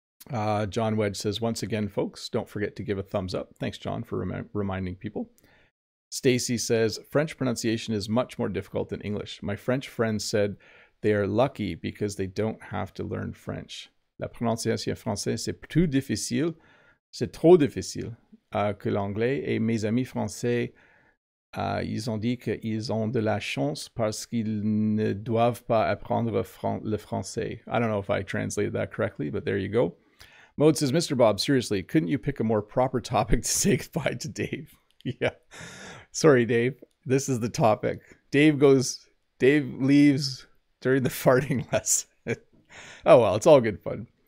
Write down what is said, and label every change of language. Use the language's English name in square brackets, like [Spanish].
[English] John Wedge says, once again, folks, don't forget to give a thumbs up. Thanks, John, for reminding people. Stacy says, French pronunciation is much more difficult than English. My French friend said they are lucky because they don't have to learn French. [French] La prononciation française, c'est plus difficile. C'est trop difficile. Que l'anglais et mes amis français, ils ont dit qu'ils ont de la chance parce qu'ils ne doivent pas apprendre le français. [English] I don't know if I translated that correctly, but there you go. Mode says, Mr. Bob, seriously, couldn't you pick a more proper topic to say goodbye to Dave? Yeah. Sorry, Dave. This is the topic. Dave leaves during the farting lesson. Oh, well, it's all good fun.